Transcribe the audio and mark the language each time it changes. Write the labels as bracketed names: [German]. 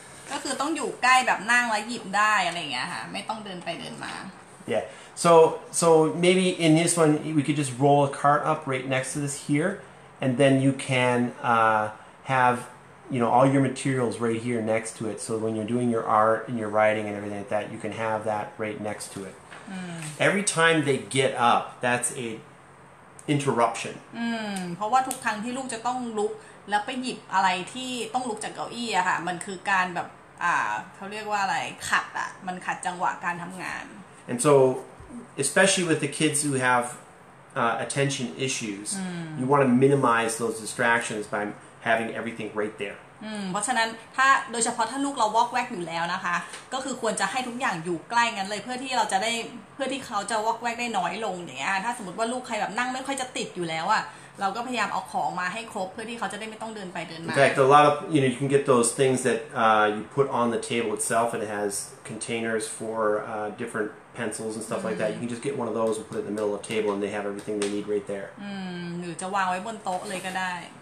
[Thai] ก็คือต้องอยู่ใกล้แบบนั่งแล้วหยิบได้อะไรอย่างเงี้ยค่ะไม่ต้องเดินไปเดินมา [English] Yeah. So maybe in this one we could just roll a cart up right next to this here, and then you can have you know all your materials right here next to it. So when you're doing your art and your writing and everything like that, you can have that right next to it. Mm. Every time they get up, that's a interruption. [Thai] เพราะว่าทุกครั้งที่ลูกจะต้องลุกแล้วไปหยิบอะไรที่ต้องลุกจากเก้าอี้อะค่ะมันคือการแบบเขาเรียกว่าอะไรขัดอะมันขัดจังหวะการทำงาน [English] And so, especially with the kids who have attention issues, you want to minimize those distractions by having everything right there. [Thai] เพราะฉะนั้นถ้าโดยเฉพาะถ้าลูกเราวอกแวกอยู่แล้วนะคะก็คือควรจะให้ทุกอย่างอยู่ใกล้กันเลยเพื่อที่เขาจะวอกแวกได้น้อยลงอย่างเงี้ยถ้าสมมติว่าลูกใครแบบนั่งไม่ค่อยจะติดอยู่แล้วอะเราก็พยายามเอาของมาให้ครบเพื่อที่เขาจะได้ไม่ต้องเดินไปเดินมา [English] In fact, a lot of you know you can get those things that you put on the table itself and it has containers for different pencils and stuff like that. You can just get one of those and put it in the middle of the table and they have everything they need right there. [Thai] หรือจะวางไว้บนโต๊ะเลยก็ได้